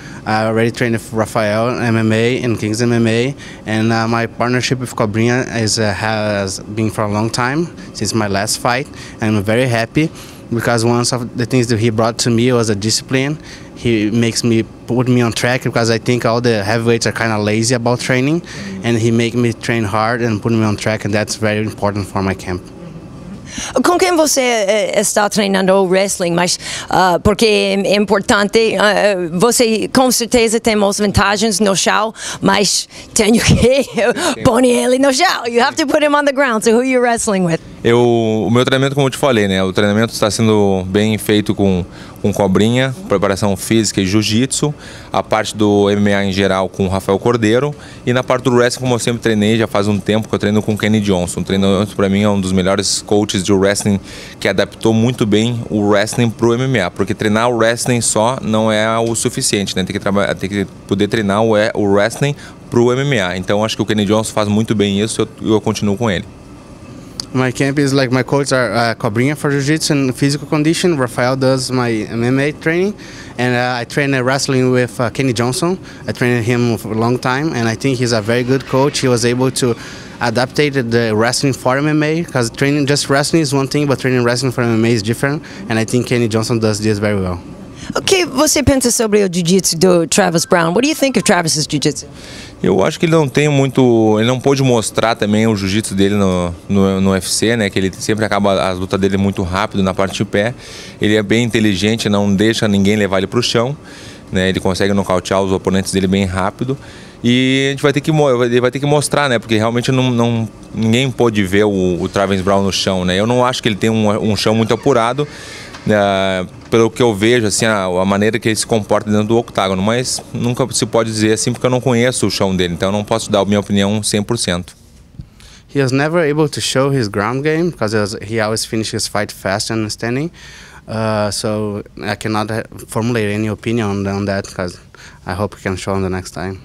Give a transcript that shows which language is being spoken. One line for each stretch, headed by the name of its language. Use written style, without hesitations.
English: I already trained with Rafael in MMA and Kings MMA, and my partnership with Cobrinha has been for a long time since my last fight. I'm very happy. Because one of the things that he brought to me was a discipline. He makes me put me on track because I think all the heavyweights are kind of lazy about training, and he make me train hard and put me on track, and that's very important for my camp.
Portuguese: Com quem você está treinando o wrestling? Mas porque é importante, você com certeza tem as vantagens no chão, mas tenho que pôr ele no chão.
English: You have to put him on the ground. So who are you wrestling with?
Portuguese: O meu treinamento, como eu te falei, né? O treinamento está sendo bem feito com Cobrinha, preparação física e jiu-jitsu, a parte do MMA em geral com o Rafael Cordeiro, e na parte do wrestling, como eu sempre treinei, já faz um tempo que eu treino com o Kenny Johnson. O treinamento, para mim, é um dos melhores coaches de wrestling, que adaptou muito bem o wrestling pro MMA, porque treinar o wrestling só não é o suficiente, né? Tem que poder treinar o wrestling pro MMA. Então, acho que o Kenny Johnson faz muito bem isso, eu continuo com ele.
English: My camp is like my coach are Cobrinha for jiu-jitsu and physical condition. Rafael does my MMA training, and I train wrestling with Kenny Johnson. I trained him for a long time, and I think he's a very good coach. He was able to adapt the wrestling for MMA, because training just wrestling is one thing, but training wrestling for MMA is different, and I think Kenny Johnson does this very well.
Portuguese: Okay, você pensa sobre o jiu-jitsu do Travis Browne?
English: What do you think of Travis's jiu-jitsu?
Portuguese: Eu acho que ele não tem muito, ele não pôde mostrar também o jiu-jitsu dele no UFC, né? Que ele sempre acaba as lutas dele muito rápido na parte de pé. Ele é bem inteligente, não deixa ninguém levar ele pro chão, né? Ele consegue nocautear os oponentes dele bem rápido. E a gente vai ter que mostrar, né? Porque realmente ninguém pôde ver o Travis Browne no chão, né? Eu não acho que ele tem um chão muito apurado. Pelo que eu vejo, assim, a maneira que ele se comporta dentro do octágono, mas nunca se pode dizer assim porque eu não conheço o chão dele, então eu não posso dar a minha opinião 100%.
English: He was never able to show his ground game because he always finishes his fight fast and standing. So I cannot formulate any opinion on that because I hope he can show him the next time.